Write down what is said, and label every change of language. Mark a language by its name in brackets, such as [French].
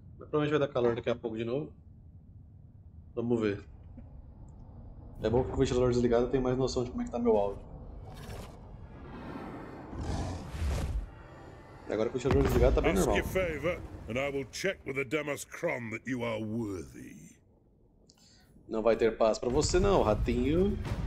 [Portuguese] Provavelmente vai dar calor daqui a pouco de novo. Vamos ver. É bom que com o ventilador desligado eu tenho mais noção de como é que tá meu áudio. Agora com o ventilador desligado tá bem normal. [English] Ask a favor, and I will check with the Demos Cron that you are worthy. [Portuguese] Não vai ter paz pra você não, ratinho.